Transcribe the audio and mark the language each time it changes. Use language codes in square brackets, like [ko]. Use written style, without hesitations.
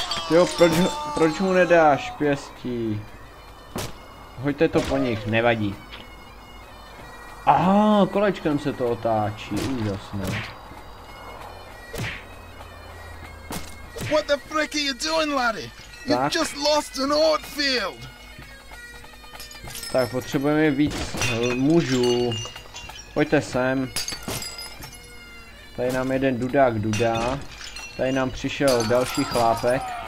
[cs] Jo, proč mu nedáš pěstí? Hoďte to po nich, nevadí. Aha, kolečkem se to otáčí, úžasné. [en] What the frick are you doing, laddie? You just lost an odd field. [cs] Tak potřebujeme víc mužů. Pojďte sem. Tady nám jeden dudák dudá. Tady nám přišel další chlápek.